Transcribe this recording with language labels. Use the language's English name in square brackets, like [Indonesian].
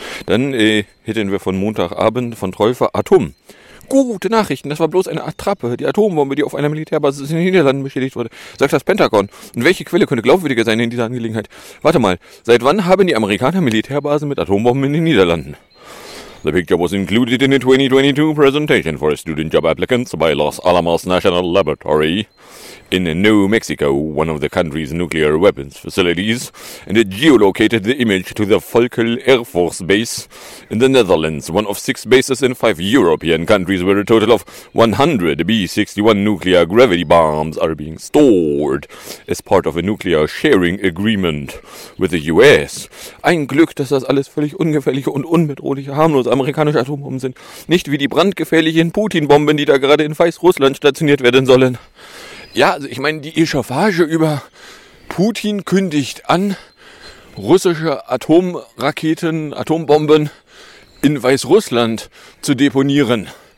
[German] Dann hätten wir von Montagabend von Träufer Atom. Gute Nachrichten, das war bloß eine Attrappe. Die Atombombe, die auf einer Militärbasis in den Niederlanden beschädigt wurde, sagt das Pentagon. Und welche Quelle könnte glaubwürdiger sein in dieser Angelegenheit? Warte mal, seit wann haben die Amerikaner Militärbasen mit Atombomben in den Niederlanden? [English] The picture was included in a 2022 presentation for student job applicants by Los Alamos National Laboratory in New Mexico, one of the country's nuclear weapons facilities, and it geolocated the image to the Valkel Air Force Base in the Netherlands, one of 6 bases in 5 European countries where a total of 100 B-61 nuclear gravity bombs are being stored as part of a nuclear sharing agreement with the US. [German] Ein Glück, dass das alles völlig ungefährliche und unbedrohliche, harmlose amerikanische Atombomben sind. Nicht wie die brandgefährlichen Putin-Bomben, die da gerade in Weißrussland stationiert werden sollen. Ja, also ich meine, die Echauffage über Putin kündigt an, russische Atomraketen, Atombomben in Weißrussland zu deponieren.